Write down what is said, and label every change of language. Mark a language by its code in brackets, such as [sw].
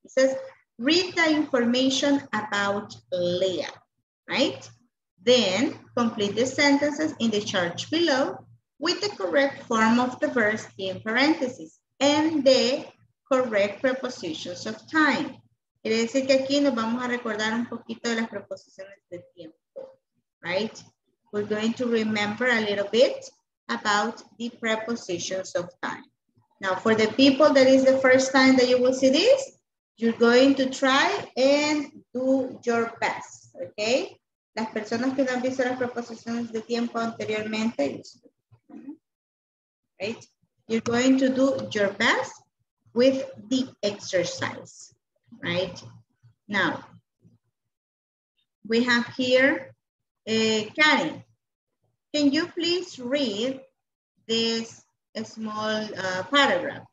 [en] It says, read the information about Leah, right? Then complete the sentences in the chart below with the correct form of the verse in parentheses and the correct prepositions of time. [es] Quiere decir que aquí nos vamos a recordar un poquito de las preposiciones de tiempo, right? [en] We're going to remember a little bit about the prepositions of time. Now, for the people that is the first time that you will see this, you're going to try and do your best, okay? [es] Las personas que no han visto las proposiciones de tiempo anteriormente, right? [en] You're going to do your best with the exercise, right? Now, we have here, Karen, can you please read this small paragraph?